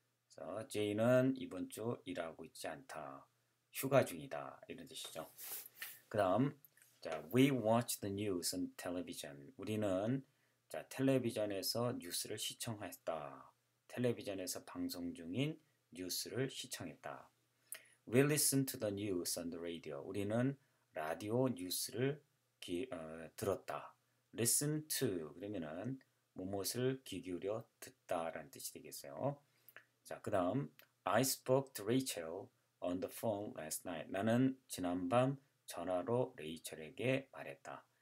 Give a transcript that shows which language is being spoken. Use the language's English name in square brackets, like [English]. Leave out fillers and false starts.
[Korean] 그래서 Jane은 이번 주 일하고 있지 않다. 휴가 중이다. 이런 뜻이죠. 그 다음, [English] we watch the news on television. [Korean] 우리는 텔레비전에서 뉴스를 시청했다. 텔레비전에서 방송 중인 뉴스를 시청했다. [English] We listen to the news on the radio. [Korean] 우리는 라디오 뉴스를 들었다. Listen to 그러면은 무엇을 귀 기울여 듣다 라는 뜻이 되겠어요. 자, 그 다음 [English] I spoke to Rachel on the phone last night. [Korean] 나는 지난밤 전화로 레이첼에게 말했다.